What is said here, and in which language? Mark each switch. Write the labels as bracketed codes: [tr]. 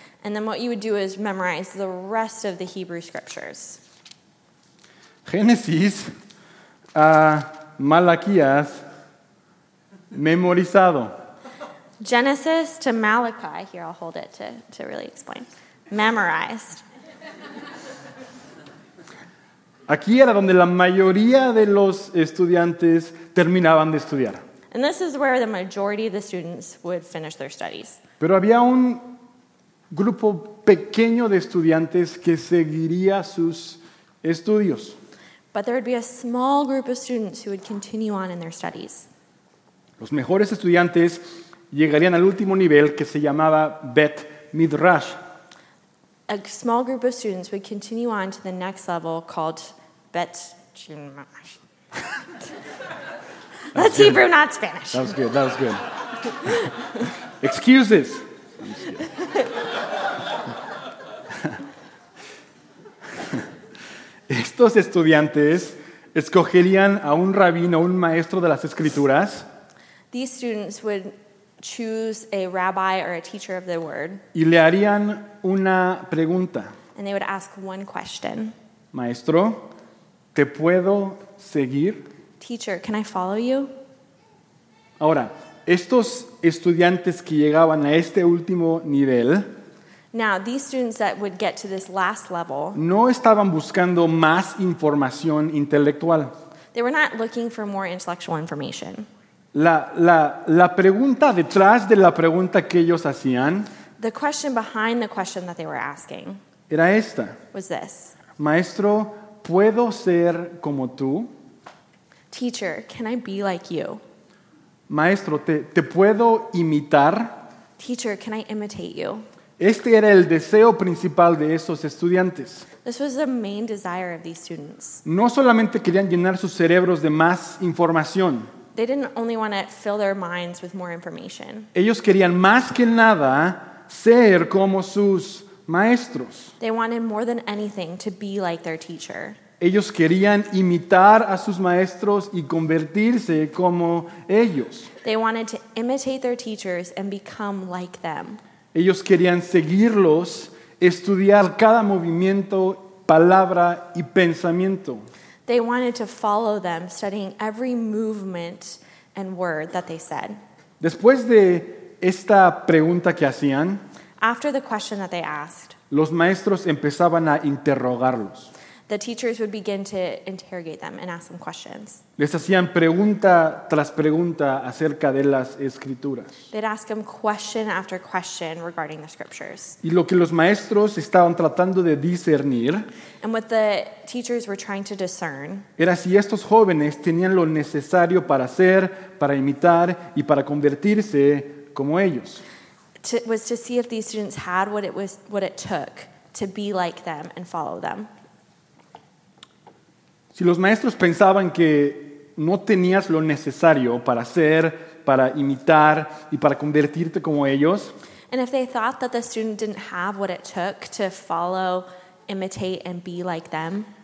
[en] And then what you would do is memorize the rest of the Hebrew scriptures. [es] Génesis a Malaquías memorizado. [en] Genesis to Malachi. Here, I'll hold it to really explain. Memorized. [es] Aquí era donde la mayoría de los estudiantes terminaban de estudiar. [en] And this is where the majority of the students would finish their studies. [es] Pero había un grupo pequeño de estudiantes que seguiría sus estudios. [en] But there would be a small group of students who would continue on in their studies. [es] Los mejores estudiantes llegarían al último nivel que se llamaba Bet Midrash. [en] A small group of students would continue on to the next level called Bet Midrash. That's Hebrew, not Spanish. That was good, that was good. Excuses. [es] Estos estudiantes escogerían a un rabino, un maestro de las escrituras. [en] These students would choose a rabbi or a teacher of the word. [es] Y le harían una pregunta. [en] And they would ask one question. [es] Maestro, ¿te puedo seguir? [en] Teacher, can I follow you? [es] Ahora, estos estudiantes que llegaban a este último nivel. [en] Now, these students that would get to this last level. [es] No estaban buscando más información intelectual. [en] They were not looking for more intellectual information. [es] La pregunta detrás de la pregunta que ellos hacían. [en] The question behind the question that they were asking. [es] Era esta. [en] Was this. [es] Maestro, ¿puedo ser como tú? [en] Teacher, can I be like you? [es] Maestro, ¿te puedo imitar? [en] Teacher, can I imitate you? [es] Este era el deseo principal de esos estudiantes. [en] This was the main desire of these students. [es] No solamente querían llenar sus cerebros de más información. [en] They didn't only want to fill their minds with more information. [es] Ellos querían más que nada ser como sus maestros. [en] They wanted more than anything to be like their teacher. [es] Ellos querían imitar a sus maestros y convertirse como ellos. [en] They wanted to imitate their teachers and become like them. [es] Ellos querían seguirlos, estudiar cada movimiento palabra y pensamiento. [en] They wanted to follow them, studying every movement and word that they said. [es] Después de esta pregunta que hacían, [en] after the question that they asked, [es] los maestros empezaban a interrogarlos. [en] The teachers would begin to interrogate them and ask them questions. [es] Les hacían pregunta tras pregunta acerca de las escrituras. [en] They'd ask them question after question regarding the scriptures. [es] Y lo que los maestros estaban tratando de discernir, [en] and what the teachers were trying to discern, [es] era si estos jóvenes tenían lo necesario para ser, para imitar y para convertirse como ellos. [en] Was to see if these students had what it took to be like them and follow them. [es] Si los maestros pensaban que no tenías lo necesario para ser, para imitar y para convertirte como ellos, [en] and if they thought that the student didn't have what it took to follow, imitate, and be like them,